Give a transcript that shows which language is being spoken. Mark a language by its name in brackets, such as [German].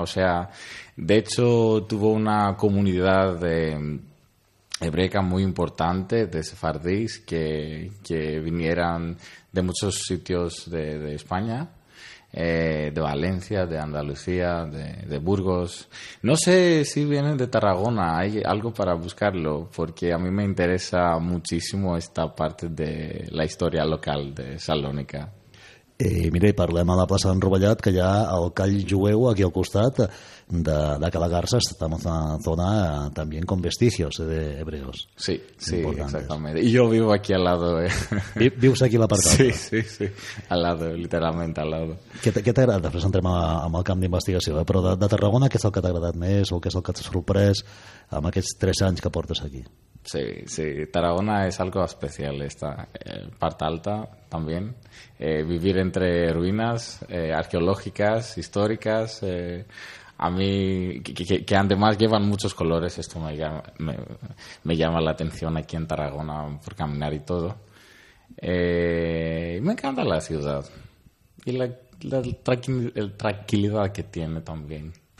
[Spanish] O sea, de hecho, tuvo una comunidad hebrea muy importante de sefardíes que vinieron de muchos sitios de España, de Valencia, de Andalucía, de Burgos. No sé si vienen de Tarragona, hay algo para buscarlo, porque a mí me interesa muchísimo esta parte de la historia local de Salónica. [Catalan] I mira, i parlem a la plaça d'en Rovellat, que hi ha el Call Jueu aquí al costat de Cala Garza, està en una zona també amb vestigios d'hebreus. Sí, sí, exactament. I jo [Spanish] vivo aquí al lado. [Catalan] Vius aquí a l'apartat? [Spanish] Sí, sí, sí, al lado, literalment al lado. [Catalan] Què t'agrada? Després entrem amb el camp d'investigació, però de Tarragona, què és el que t'ha agradat més o què és el que t'ha sorprès amb aquests 3 anys que portes aquí? [Spanish] Sí, sí, Tarragona es algo especial, esta parte alta también, vivir entre ruinas arqueológicas, históricas, a mí, que además llevan muchos colores, esto me llama la atención aquí en Tarragona por caminar y todo, me encanta la ciudad y la tranquilidad que tiene también.